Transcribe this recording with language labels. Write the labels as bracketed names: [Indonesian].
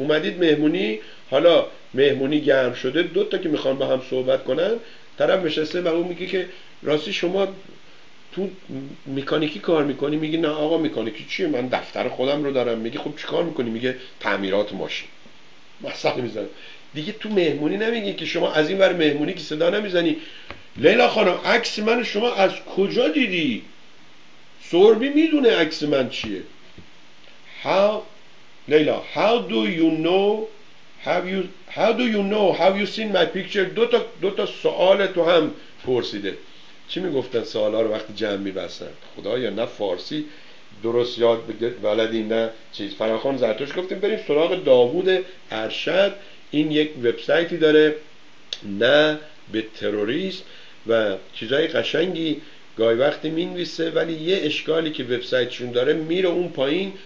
[Persian] اومدید مهمونی، حالا مهمونی گرم شده، دو تا که میخوان با هم صحبت کنن، طرف نشسته و اون میگه که راستی شما تو مکانیکی کار میکنی؟ میگه نه آقا مکانیکی چیه، من دفتر خودم رو دارم. میگه خب چی کار میکنی؟ میگه تعمیرات ماشین. مثلا میزنم دیگه، تو مهمونی نمیگه که شما از این ور مهمونی که صدا نمیزنی لیلا خانم عکس من شما از کجا دیدی؟ سوربی میدونه عکس من چیه. [English] Leila how do you know have you seen my picture؟ [Persian] دو تا سوال تو هم پرسیده. چی میگفتن سوالا رو وقتی جمع میبستن؟ خدایا نه فارسی درست یاد بلدی نه چیز. فراخوان زرتوش گفتیم بریم سراغ داوود ارشد، این یک وبسایتی داره نه به تروریسم و چیزای قشنگی گاهی وقتی مینویسه، ولی یه اشکالی که وبسایتشون داره میره اون پایین.